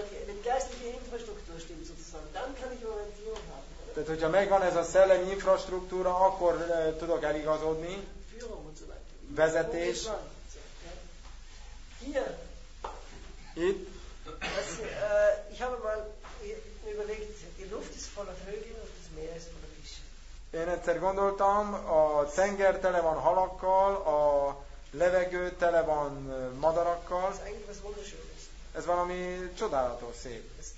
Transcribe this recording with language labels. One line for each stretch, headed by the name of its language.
German: Wenn geistliche Infrastruktur stimmt sozusagen, dann kann ich Orientierung haben.
Hungarian: Tehát hogyha megvan ez a szellemi infrastruktúra, akkor tudok eligazodni.
German: Führung und so weiter.
Hungarian: vezetés.
German: Hier.
Hungarian: Itt.
German: Was, ich habe mal überlegt, die Luft ist voller Vögel und das Meer ist voller Fische.
Hungarian: Én egyszer gondoltam, a tenger tele van halakkal, a levegő tele van madarakkal. Ez valami csodálatos, szép.